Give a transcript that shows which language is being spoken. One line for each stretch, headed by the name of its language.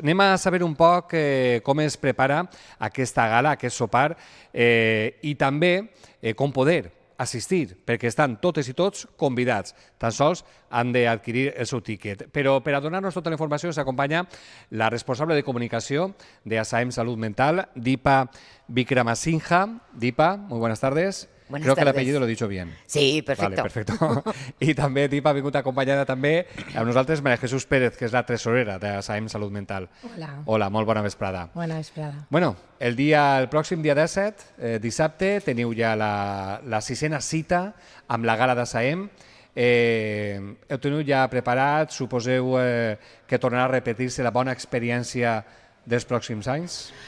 Catalan: Anem a saber un poc com es prepara aquesta gala, aquest sopar, i també com poder assistir, perquè estan totes i tots convidats. Tan sols han d'adquirir el seu tiquet. Però per a donar-nos tota la informació s'acompanya la responsable de comunicació de ASAEM Salut Mental, Dipa Vikramasinghe.
Spanish: Dipa, muy buenas tardes. Buenas Creo que el apellido lo he dicho bien. Sí, perfecto. Vale, perfecto. Y también, Dipa, ha venido acompañada también a nosotros, María Jesús Pérez, que es la tesorera de ASAEM Salud Mental. Hola. Hola, muy buena vesprada. Buena vesprada.
Catalan: Bueno,
Spanish: el próximo día 17,
Catalan: dissabte, teniu ya la sisena cita amb la gala d'ASAEM. Heu tenido ya preparat, suposeu que tornarà a repetir-se la bona experiència dels pròxims anys?